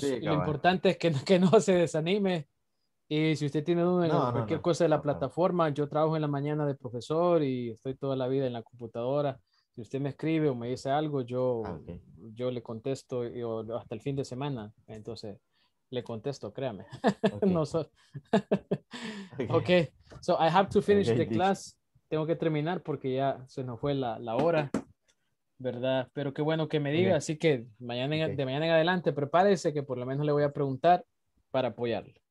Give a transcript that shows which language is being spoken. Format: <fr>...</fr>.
<es>Sí, lo importante es que no se desanime. Y si usted tiene duda en cualquier cosa de la plataforma, yo trabajo en la mañana de profesor y estoy toda la vida en la computadora. Si usted me escribe o me dice algo, yo le contesto y, o, hasta el fin de semana. Entonces, le contesto, créame. Okay.</es> <en>Okay, so I have to finish the class.</en> <es>Tengo que terminar porque ya se nos fue la hora, ¿verdad? Pero qué bueno que me diga. Okay. Así que mañana, de mañana en adelante, prepárese que por lo menos le voy a preguntar para apoyarle.</es>